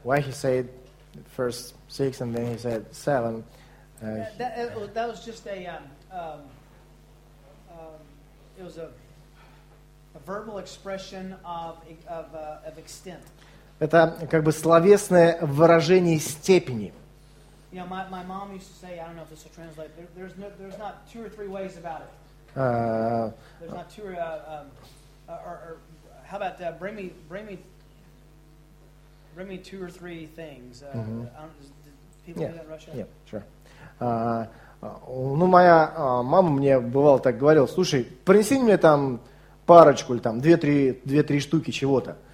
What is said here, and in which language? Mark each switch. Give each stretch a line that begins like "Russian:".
English: Why he said first 6 and then he said 7? That was just a verbal expression of extent.
Russian: Это как бы словесное выражение степени.
English: You know, my mom used to say, I don't know if this will translate. There's not two or three ways about it. There's not two or how about bring me two or three things. People do that in Russia? Yeah, sure.
Russian: Ну, моя мама мне бывало так говорила: слушай, принеси мне там парочку или там две-три штуки чего-то.